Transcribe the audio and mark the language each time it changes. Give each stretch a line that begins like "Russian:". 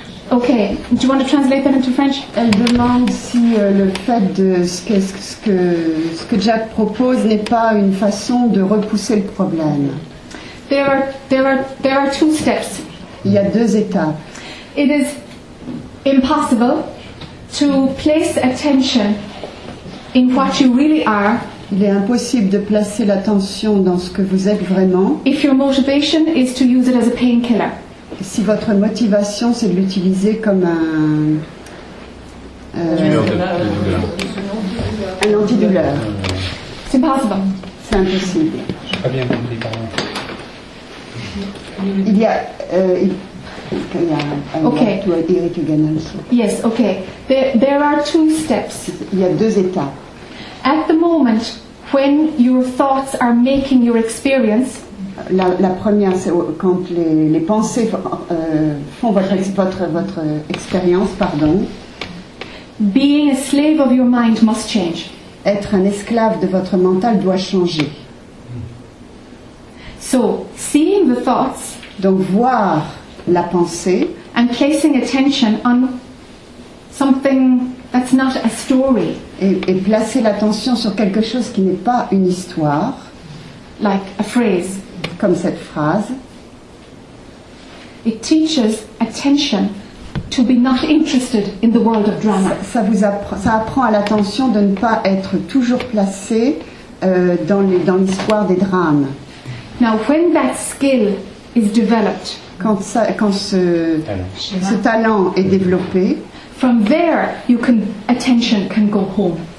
English: Ok, do you want to translate that into French?
French: Elle demande si le fait de ce que Jack propose n'est pas une façon de repousser le problème.
English: There are two steps.
French: Il y a deux étapes.
English: It is impossible to place attention in what you really are.
French: Il est impossible de placer l'attention dans ce que vous êtes vraiment.
English: If your motivation is to use it as a painkiller.
French: Si votre motivation c'est de l'utiliser comme un antidouleur, c'est impossible. C'est impossible. J'ai pas bien compris, pardon. Il y a. Eric
English: again also. Yes, okay. There are two steps.
French: Il y a deux étapes.
English: At the moment when your thoughts are making your experience.
French: La première, c'est quand les pensées font votre expérience, pardon.
English: Being a slave of your mind must change.
French: Être un esclave de votre mental doit changer.
English: So, seeing the thoughts.
French: Donc voir la pensée.
English: And placing attention on something that's not a story.
French: Et placer l'attention sur quelque chose qui n'est pas une histoire.
English: Like a phrase.
French: Comme cette phrase.
English: It teaches attention to be not interested in the world of drama.
French: Ça apprend à l'attention de ne pas être toujours placée dans l'histoire des drames.
English: Now, when that skill is developed,
French: quand ce talent est développé,
English: from there, attention can go home.